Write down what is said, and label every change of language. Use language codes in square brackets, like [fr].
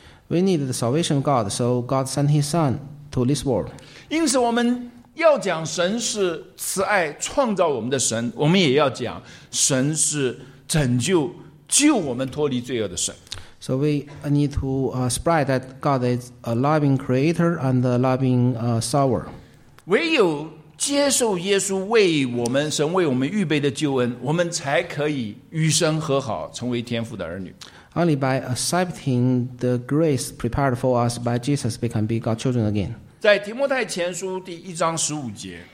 [en] We need the salvation of God, so God sent His Son to this world. [zh] 因此，我们要讲神是慈爱创造我们的神，我们也要讲神是拯救救我们脱离罪恶的神。 [en] So we need to spread that God is a loving creator and a loving sower. [zh] 唯有接受耶稣为我们神为我们预备的救恩，我们才可以与神和好，成为天父的儿女。 [en] Only by accepting the grace prepared for us by Jesus, we can be God's children again. [zh] 在提摩太前书第一章十五节。